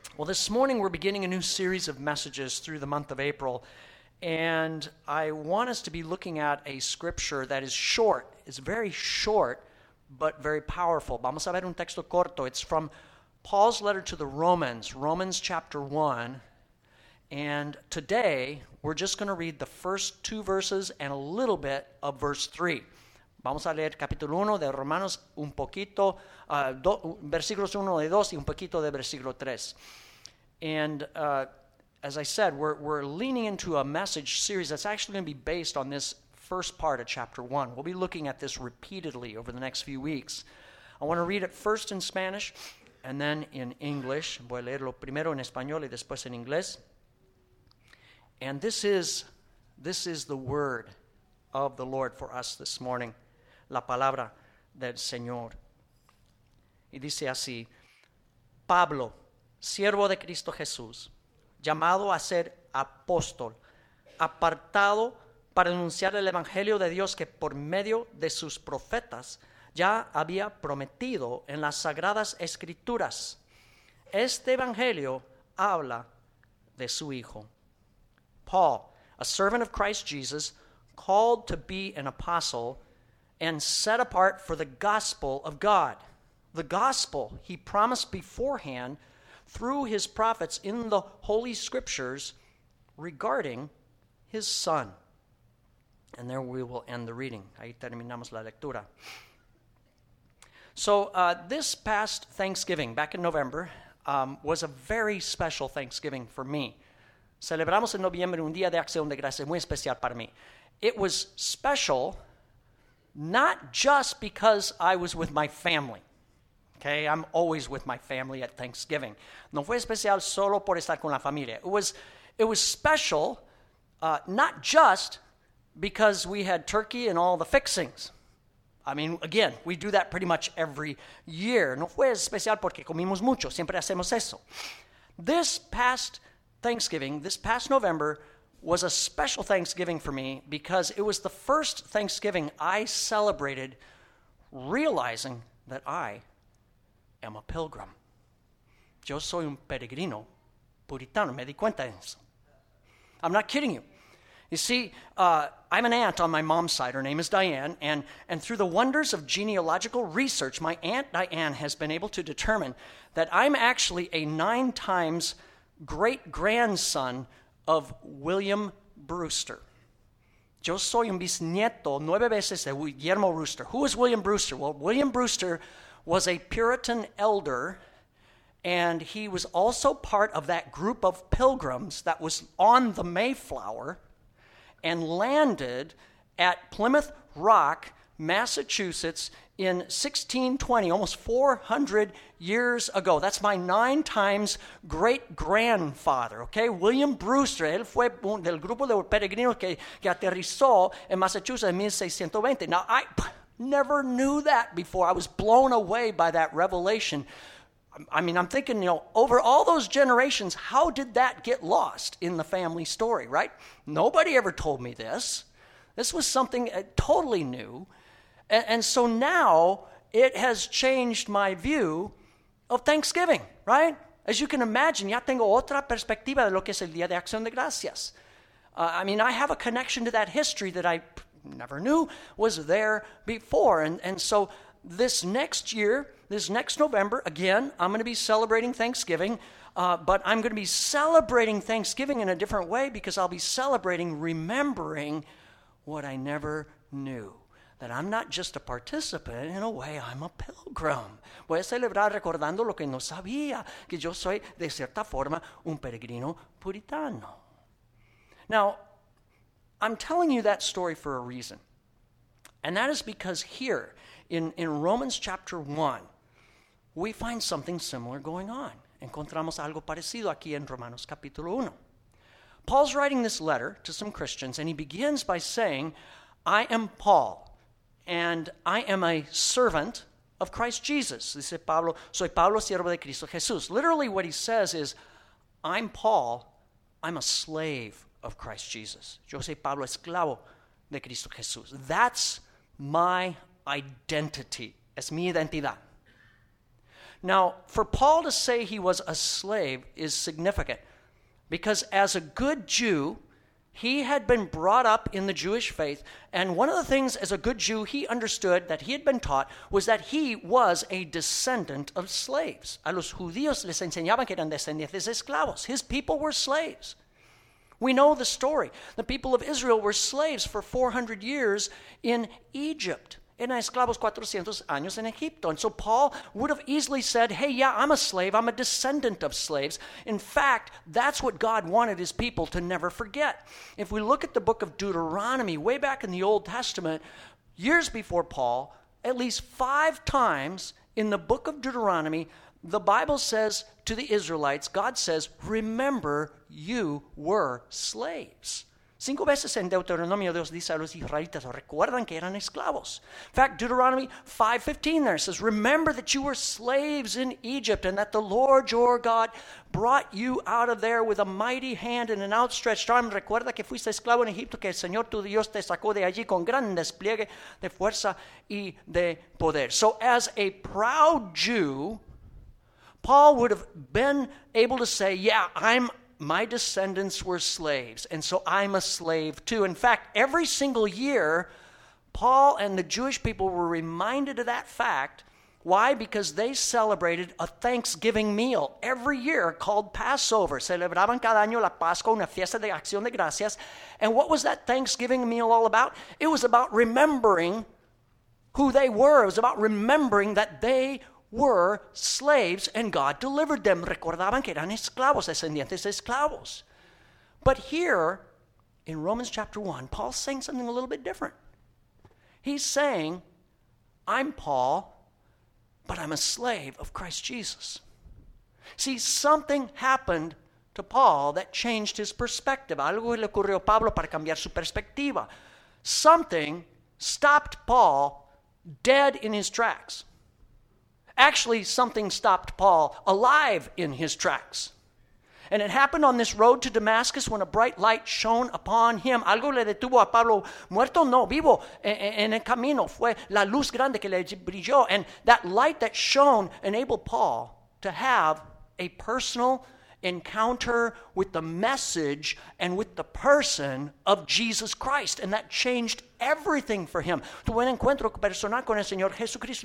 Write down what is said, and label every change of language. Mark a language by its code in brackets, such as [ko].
[en] Well, this morning we're beginning a new series of messages through the month of April, and I want us to be looking at a scripture that is short. It's very short, but very powerful. [es] Vamos a ver un texto corto. [en] It's from Paul's letter to the Romans, Romans chapter 1, and today we're just going to read the first two verses and a little bit of verse 3. [es] Vamos a leer capítulo 1 de Romanos, un poquito, versículos 1 y 2 y un poquito de versículo 3. [en] And as I said, we're leaning into a message series that's actually going to be based on this first part of chapter 1. We'll be looking at this repeatedly over the next few weeks. I want to read it first in Spanish and then in English. [es] Voy a leerlo primero en español y después en inglés. [en] And this is the word of the Lord for us this morning. [es] La palabra del Señor. Y dice así: Pablo, siervo de Cristo Jesús, llamado a ser apóstol, apartado para anunciar el evangelio de Dios que por medio de sus profetas ya había prometido en las sagradas escrituras. Este evangelio habla de su hijo. [en] Paul, a servant of Christ Jesus, called to be an apostle, and set apart for the gospel of God, the gospel he promised beforehand through his prophets in the Holy Scriptures regarding his son. And there we will end the reading. [es] Ahí terminamos la lectura. [en] So this past Thanksgiving, back in November, was a very special Thanksgiving for me. [es] Celebramos en noviembre un día de acción de gracias muy especial para mí. [en] It was special, not just because I was with my family. Okay, I'm always with my family at Thanksgiving. [es] No fue especial solo por estar con la familia. [en] It was special, not just because we had turkey and all the fixings. I mean, again, we do that pretty much every year. [es] No fue especial porque comimos mucho. Siempre hacemos eso. [en] This past Thanksgiving, this past November, was a special Thanksgiving for me because it was the first Thanksgiving I celebrated realizing that I am a pilgrim. [es] Yo soy un peregrino puritano, me di cuenta de eso. [en] I'm not kidding you. You see, I have an aunt on my mom's side. Her name is Diane, and through the wonders of genealogical research, my aunt Diane has been able to determine that I'm actually a 9 times great-grandson of William Brewster. [es] Yo soy un bisnieto 9 veces de Guillermo Brewster. [en] Who is William Brewster? Well, William Brewster was a Puritan elder, and he was also part of that group of pilgrims that was on the Mayflower and landed at Plymouth Rock, Massachusetts in 1620, almost 400 years ago. That's my 9 times great-grandfather, okay? [es] William Brewster, él fue del grupo de peregrinos que aterrizó en Massachusetts en 1620. [en] Now, I never knew that before. I was blown away by that revelation. I mean, I'm thinking, you know, over all those generations, how did that get lost in the family story, right? Nobody ever told me this. This was something totally new. And so now it has changed my view of Thanksgiving, right? As you can imagine, [es] ya tengo otra perspectiva de lo que es el Día de Acción de Gracias. [en] I mean, I have a connection to that history that I never knew was there before. And so this next year, this next November, again, I'm going to be celebrating Thanksgiving. But I'm going to be celebrating Thanksgiving in a different way because I'll be celebrating remembering what I never knew. That I'm not just a participant, in a way, I'm a pilgrim. [es] Voy a celebrar recordando lo que no sabía, que yo soy, de cierta forma, un peregrino puritano. [en] Now, I'm telling you that story for a reason. And that is because here, in Romans chapter 1, we find something similar going on. [es] Encontramos algo parecido aquí en Romanos capítulo 1. [en] Paul's writing this letter to some Christians, and he begins by saying, I am Paul. And I am a servant of Christ Jesus. [es] Dice Pablo, soy Pablo, siervo de Cristo Jesús. [en] Literally what he says is, I'm Paul, I'm a slave of Christ Jesus. [es] Yo soy Pablo, esclavo de Cristo Jesús. [en] That's my identity. [es] Es mi identidad. [en] Now, for Paul to say he was a slave is significant because as a good Jew, he had been brought up in the Jewish faith, and one of the things as a good Jew he understood that he had been taught was that he was a descendant of slaves. [es] A los judíos les enseñaban que eran descendientes de esclavos. [en] His people were slaves. We know the story. The people of Israel were slaves for 400 years in Egypt. [es] Eran esclavos 400 años en Egipto. [en] And so Paul would have easily said, hey, yeah, I'm a slave. I'm a descendant of slaves. In fact, that's what God wanted his people to never forget. If we look at the book of Deuteronomy, way back in the Old Testament, years before Paul, at least five times in the book of Deuteronomy, the Bible says to the Israelites, God says, remember, you were slaves. [es] Cinco veces en Deuteronomio Dios dice a los israelitas, recuerdan que eran esclavos. [en] In fact, Deuteronomy 5:15 there says, remember that you were slaves in Egypt and that the Lord your God brought you out of there with a mighty hand and an outstretched arm. [es] Recuerda que fuiste esclavo en Egipto, que el Señor tu Dios te sacó de allí con gran despliegue de fuerza y de poder. [en] So as a proud Jew, Paul would have been able to say, yeah, my descendants were slaves, and so I'm a slave too. In fact, every single year, Paul and the Jewish people were reminded of that fact. Why? Because they celebrated a Thanksgiving meal every year called Passover. [es] Celebraban cada año la Pascua, una fiesta de acción de gracias. [en] And what was that Thanksgiving meal all about? It was about remembering who they were. It was about remembering that they were slaves and God delivered them. [es] Recordaban que eran esclavos, descendientes de esclavos. [en] But here in Romans chapter 1, Paul's saying something a little bit different. He's saying, I'm Paul, but I'm a slave of Christ Jesus. See, something happened to Paul that changed his perspective. [es] Algo le ocurrió a Pablo para cambiar su perspectiva. [en] Something stopped Paul dead in his tracks. Actually, something stopped Paul alive in his tracks. And it happened on this road to Damascus when a bright light shone upon him. [es] Algo le detuvo a Pablo, muerto no, vivo, en el camino. Fue la luz grande que le brilló. [en] And that light that shone enabled Paul to have a personal encounter with the message and with the person of Jesus Christ. And that changed everything for him. [es] Tuvo un encuentro personal con el Señor Jesucristo.